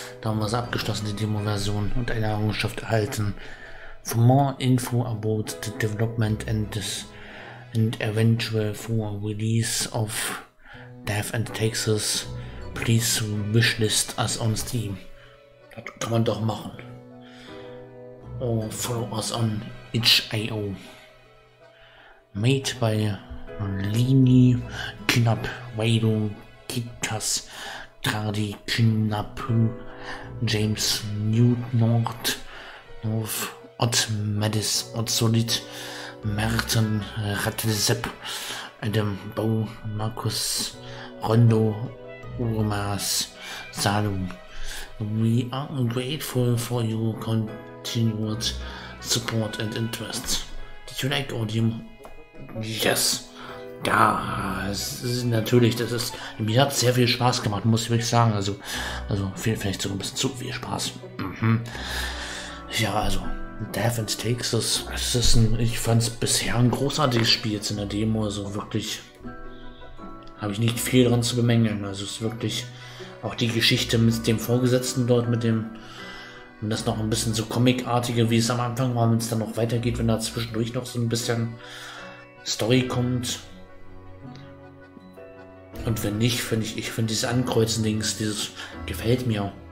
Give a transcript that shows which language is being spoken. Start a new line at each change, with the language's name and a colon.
German: Da haben wir es abgeschlossen, die Demo-Version, und eine Errungenschaft erhalten.
English: For more info about the development and this. And eventual full release of Death and Taxes, please wishlist us on Steam.
German: Das kann man doch machen.
English: Or follow us on itch.io. Made by Lini Knapp, Weidu, Kitas, Tradi Knapp, James Newt North, Ott Madis, Ott Solid, Merten, Ratzep, Adam, Bo, Markus, Rondo, Urmas, Salum. We are grateful for your continued support and interest. Did you like Audium? Yes.
German: Ja, es ist natürlich, das ist, mir hat sehr viel Spaß gemacht, muss ich wirklich sagen. Also vielleicht sogar ein bisschen zu viel Spaß. Mhm. Ja, also. Death and Takes, das ist ein, ich fand es bisher ein großartiges Spiel jetzt in der Demo, also wirklich habe ich nicht viel dran zu bemängeln, also es ist wirklich auch die Geschichte mit dem Vorgesetzten dort, mit dem, wenn das noch ein bisschen so comicartiger, wie es am Anfang war, wenn es dann noch weitergeht, wenn da zwischendurch noch so ein bisschen Story kommt und wenn nicht, finde ich dieses Ankreuzen-Dings, dieses gefällt mir.